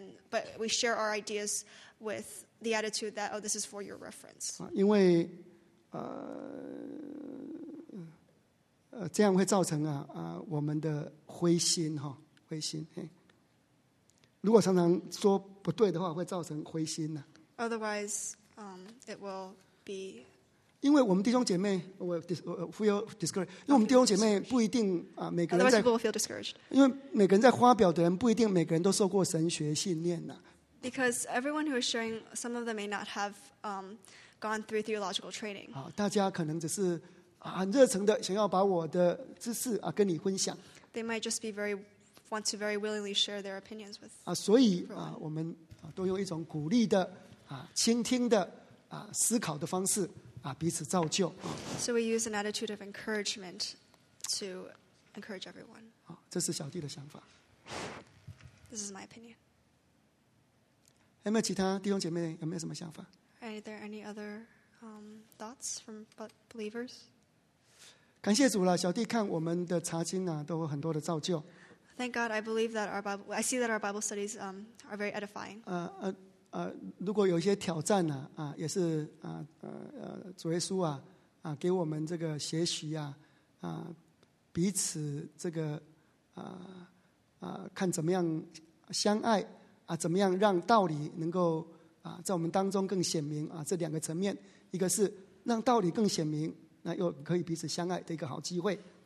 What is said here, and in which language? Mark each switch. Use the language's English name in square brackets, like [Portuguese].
[English] But we share our ideas with the attitude that, oh, this is for your reference. [Chinese] 因为这样会造成啊啊我们的灰心哈灰心嘿。如果常常说不对的话，会造成灰心呢。 [English] Otherwise, it will. [Chinese] 因为我们弟兄姐妹 我 [English] feel discouraged [Chinese] 因为我们弟兄姐妹不一定、啊、每个人在 [English] people will feel discouraged. [Chinese] 因为每个人在发表的人不一定每个人都受过神学训练、啊、 [English] Because everyone who is sharing some of them may not have gone through theological training、 [Chinese] 啊、大家可能只是、啊、很热诚的想要把我的知识、啊、跟你分享 [English] They might just be very want to very willingly share their opinions with、 [Chinese] 啊、所以、啊、我们都用一种鼓励的、啊、倾听的啊、思考的方式、啊、彼此造就 [English] So we use an attitude of encouragement to encourage everyone、 [Chinese] 啊、这是小弟的想法 [English] This is my opinion [Chinese] 有没有其他弟兄姐妹有没有什么想法 [English] Are there any other thoughts from believers? [Chinese] 感谢主了小弟看我们的查经、啊、都有很多的造就 [English] Thank God I believe that our Bible I see that our Bible studies are very edifying [Chinese] 如果有一些挑战呢、啊，啊，也是啊，主耶稣啊，啊，给我们这个学习啊，啊，彼此这个啊啊，看怎么样相爱啊，怎么样让道理能够啊，在我们当中更显明啊，这两个层面，一个是让道理更显明，那又可以彼此相爱的一个好机会。